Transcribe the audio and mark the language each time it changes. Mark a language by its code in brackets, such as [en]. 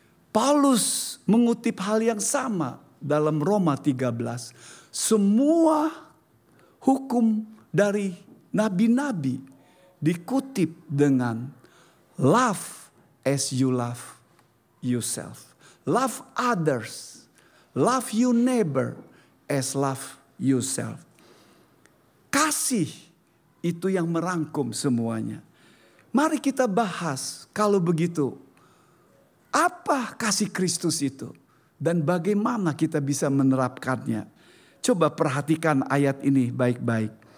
[id] Paulus mengutip hal yang sama dalam Roma 13. Semua hukum dari nabi-nabi dikutip dengan [en] love as you love yourself. Love others. Love your neighbor as love yourself. [id] Kasih itu yang merangkum semuanya. Mari kita bahas kalau begitu. Apa kasih Kristus itu? Dan bagaimana kita bisa menerapkannya? Coba perhatikan ayat ini baik-baik.